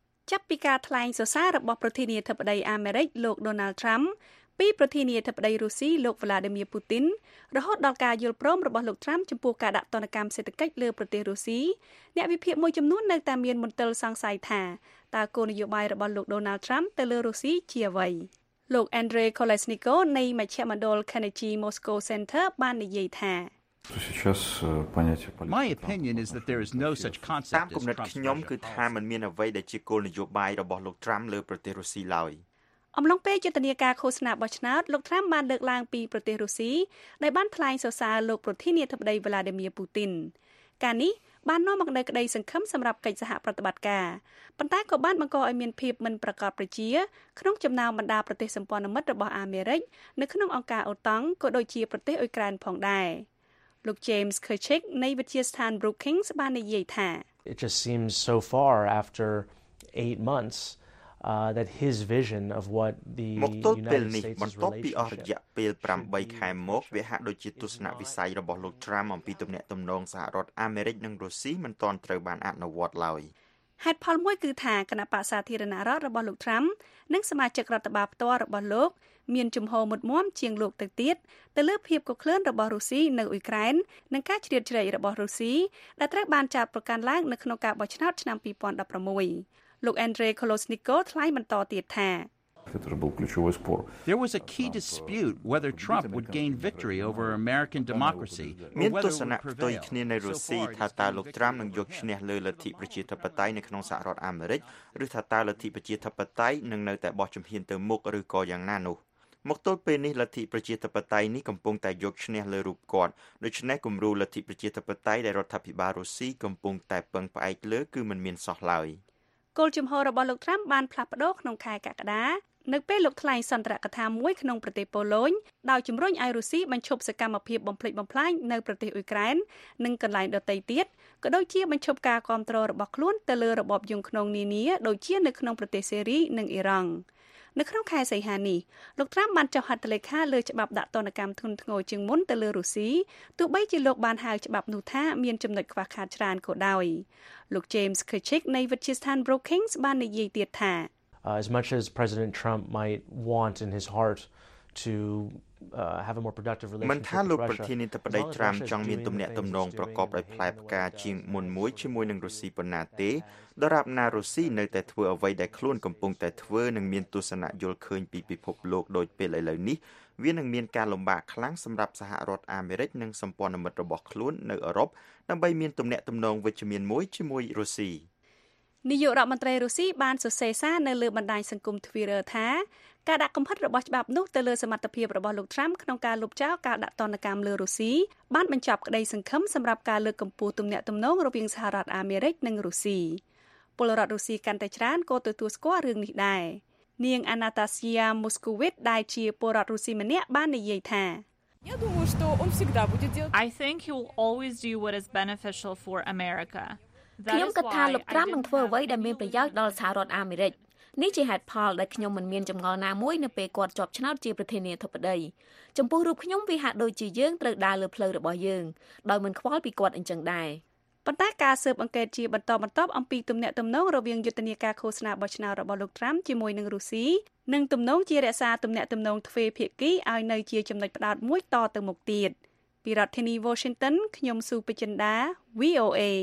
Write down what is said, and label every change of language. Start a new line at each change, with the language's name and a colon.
Khmer: ចាប់ពីការថ្លែងសរសើររបស់ប្រធានាធិបតីអាមេរិកលោក Donald Trump ពីប្រធានាធិបតីរុស្ស៊ីលោក Vladimir Putin រហូតដល់ការយល់ព្រមរបស់លោក Trump ចំពោះការដាក់ទណ្ឌកម្មសេដ្ឋកិច្ចលើប្រទេសរុស្ស៊ីអ្នកវិភាគមួយចំនួននៅតែមានមន្ទិលសង្ស័យថាតើគោលនយោបាយរបស់លោក Donald Trump ទៅលើរុស្ស៊ីជាអ្វីលោក Andre Kolesniko នៃមជ្ឈមណ្ឌល Carnegie Moscow Center បាននិយាយថា
English: My opinion is that there is no such concept as Trump's Russia.
Khmer: តាមខ្ញុំគឺថាมันមានអ្វីដែលជាគោលនយោបាយរបស់លោក Trump លើប្រទេសរុស្ស៊ីឡើយ អំឡុងពេលយុទ្ធនាការឃោសនាបោះឆ្នោតលោក Trump បានលើកឡើងពីប្រទេសរុស្ស៊ីដែលបានថ្លែងសរសើរលោកប្រធានាធិបតី Vladimir Putin ការនេះបាននាំមកនូវក្តីសង្ឃឹមសម្រាប់កិច្ចសហប្រតិបត្តិការប៉ុន្តែក៏បានបង្កឲ្យមានភាពមិនប្រកបប្រជាក្នុងចំណោមបណ្ដាប្រទេសសម្ព័ន្ធមិត្តរបស់អាមេរិកនៅក្នុងអង្គការអូតង់ក៏ដូចជាប្រទេសអ៊ុយក្រែនផងដែរលោក James Kirchick នៃវិទ្យាស្ថាន Brookings បាននិយាយថា
English: It just seems so far after 8 months that his vision of what the United States is for
Khmer: រយៈពេល8ខែមកវាហាក់ដូចជាទស្សនៈវិស័យរបស់លោក Trump អំពីទំនាក់ទំនងសហរដ្ឋអាមេរិកនិងរុស្ស៊ីមិនទាន់ត្រូវបានអនុវត្តឡើយ ហេតុផលមួយគឺថាគណៈបក្សសាធារណរដ្ឋរបស់លោក Trump និងសមាជិករដ្ឋបាលផ្ទាល់របស់លោកមានជំហរមុតមមជាងលោកទៅទៀតទៅលើភាពកុក្រើនរបស់រុស្ស៊ីនៅអ៊ុយក្រែននិងការជ្រៀតជ្រែករបស់រុស្ស៊ីដែលត្រូវបានចាប់ប្រកាន់ឡើងនៅក្នុងការបោះឆ្នោតឆ្នាំ2016លោក Andre Kolosniko ថ្លែងបន្តទៀតថា
English: There was a key dispute whether Trump would gain victory over American democracy or whether he would prevail.
Khmer: រុស្ស៊ីថាតើលោកត្រាំនឹងយកឈ្នះលើលទ្ធិប្រជាធិបតេយ្យនៅក្នុងសហរដ្ឋអាមេរិកឬថាតើលទ្ធិប្រជាធិបតេយ្យនឹងនៅតែបោះជំហានទៅមុខឬក៏យ៉ាងណានោះមកទល់ពេលនេះលទ្ធិប្រជាធិបតេយ្យនេះកំពុងតែយកឈ្នះលើរូបគាត់ដូច្នេះគំរូលទ្ធិប្រជាធិបតេយ្យដែលរដ្ឋាភិបាលរុស្ស៊ីកំពុងតែពឹងផ្អែកលើគឺមិនមានសោះឡើយ គោលជំហររបស់លោកត្រាំបានផ្លាស់ប្ដូរក្នុងខែកក្កដានៅពេលលោកថ្លែងសន្ទរកថាមួយក្នុងប្រទេសប៉ូឡូញដោយជំរុញឲ្យរុស្ស៊ីបញ្ឈប់សកម្មភាពបំផ្លិចបំផ្លាញនៅប្រទេសអ៊ុយក្រែននិងកន្លែងដទៃទៀតក៏ដូចជាបញ្ឈប់ការគ្រប់គ្រងរបស់ខ្លួនទៅលើរបបយងក្នុងនានាដូចជានៅក្នុងប្រទេសសេរីនិងអ៊ីរ៉ង់ នៅក្នុងខែសីហានេះលោកត្រាំបានចុះហត្ថលេខាលើច្បាប់ដាក់ទណ្ឌកម្មធ្ងន់ធ្ងរជាងមុនទៅលើរុស្ស៊ីទោះបីជាលោកបានហៅច្បាប់នោះថាមានចំណុចខ្វះខាតច្រើនក៏ដោយលោក James Kirchick នៃវិទ្យាស្ថាន Brookings បាននិយាយទៀតថា
English: As much as President Trump might want in his heart to have a more productive relationship with Russia.
Khmer: មិនថាលោកប្រធានាធិបតីត្រាំចង់មានទំនាក់ទំនងប្រកបដោយផ្លែផ្កាជាងមុនមួយជាមួយនឹងរុស្ស៊ីប៉ុណ្ណាទេដរាបណារុស្ស៊ីនៅតែធ្វើអ្វីដែលខ្លួនកំពុងតែធ្វើនិងមានទស្សនៈយល់ឃើញពីពិភពលោកដូចពេលឥឡូវនេះវានឹងមានការលំបាកខ្លាំងសម្រាប់សហរដ្ឋអាមេរិកនិងសម្ព័ន្ធមិត្តរបស់ខ្លួននៅអឺរ៉ុបដើម្បីមានទំនាក់ទំនងវិជ្ជមានមួយជាមួយរុស្ស៊ី នាយករដ្ឋមន្ត្រីរុស្ស៊ីបានសរសេរសារនៅលើបណ្ដាញសង្គម Twitter ថាការដាក់កំហិតរបស់ច្បាប់នោះទៅលើសមត្ថភាពរបស់លោក Trump ក្នុងការលុបចោលការដាក់ទណ្ឌកម្មលើរុស្ស៊ីបានបញ្ចប់ក្តីសង្ឃឹមសម្រាប់ការលើកកម្ពស់ទំនាក់ទំនងរវាងសហរដ្ឋអាមេរិកនិងរុស្ស៊ីពលរដ្ឋរុស្ស៊ីកាន់តែច្រើនក៏ទទួលស្គាល់រឿងនេះដែរនាង Anastasia Moskowitz ដែលជាពលរដ្ឋរុស្ស៊ីម្នាក់បាននិយាយថា
English: I think he will always do what is beneficial for America.
Khmer: ខ្ញុំគិតថាលោកត្រាំនឹងធ្វើអ្វីដែលមានប្រយោជន៍ដល់សហរដ្ឋអាមេរិកនេះជាហេតុផលដែលខ្ញុំមិនមានចម្ងល់ណាមួយនៅពេលគាត់ជាប់ឆ្នោតជាប្រធានាធិបតីចំពោះរូបខ្ញុំវាហាក់ដូចជាយើងត្រូវដើរលើផ្លូវរបស់យើងដោយមិនខ្វល់ពីគាត់អញ្ចឹងដែរ ប៉ុន្តែការស៊ើបអង្កេតជាបន្តបន្ទាប់អំពីទំនាក់ទំនងរវាងយុទ្ធនាការឃោសនាបោះឆ្នោតរបស់លោកត្រាំជាមួយនឹងរុស្ស៊ីនិងទំនងជារក្សាទំនាក់ទំនងទ្វេភាគីឲ្យនៅជាចំណុចផ្ដោតមួយតទៅមុខទៀតពីរដ្ឋធានី Washington ខ្ញុំស៊ូបេចិនដា VOA